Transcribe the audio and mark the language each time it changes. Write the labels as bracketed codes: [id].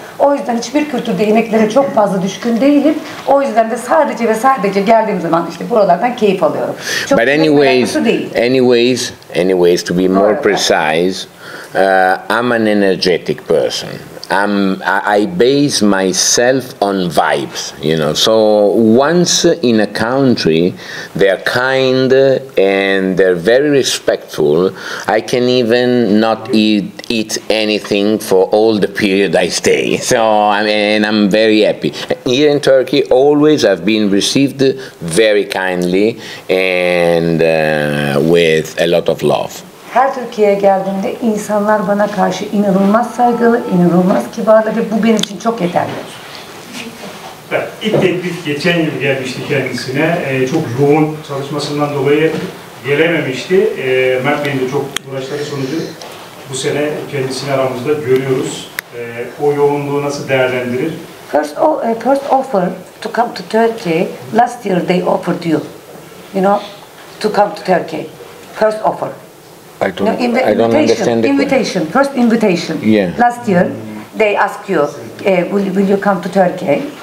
[tr] O yüzden hiçbir kültürde yemeklere çok fazla düşkün değilim. O yüzden de sadece ve sadece geldiğim zaman işte buralardan keyif alıyorum. Çok [en] but anyways, to be more precise, I'm an energetic person. I base myself on vibes, you know. So once in a country, they're kind and they're very respectful. I can even not eat anything for all the period I stay. So I mean, I'm very happy. Here in Turkey, always I've been received very kindly and with a lot of love. [tr] Her Türkiye'ye geldiğimde insanlar bana karşı inanılmaz saygılı, inanılmaz kibarlı ve bu benim için çok yeterli. İlk teklif geçen yıl gelmişti kendisine. Çok yoğun çalışmasından dolayı gelememişti. Mert Bey'in de çok uğraşları sonucu bu sene kendisini aramızda görüyoruz. O yoğunluğu nasıl değerlendirir? [en] First offer to come to Turkey, last year they offered you, you know, to come to Turkey. First offer. I don't understand the invitation. First invitation. Yeah. Last year, they asked you, will you come to Turkey?